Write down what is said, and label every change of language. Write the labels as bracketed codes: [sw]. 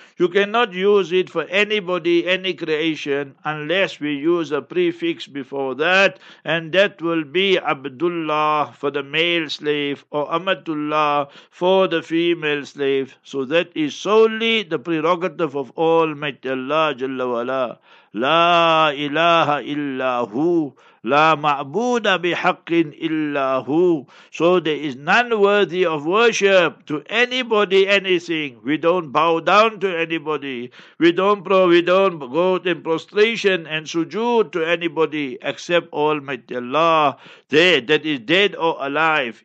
[en] You cannot use it for anybody, any creation, unless we use a prefix before that, and that will be Abdullah for the male slave, or Amatullah for the female slave. So that is solely the prerogative of Almighty Allah Jalla Wala. [ar] لا إله إلا هو لا معبود بحق إلا هو. [en] So there is none worthy of worship to anybody, anything. We don't bow down to anybody. We don't go in prostration and sujood to anybody except Almighty Allah, there, that is dead or alive.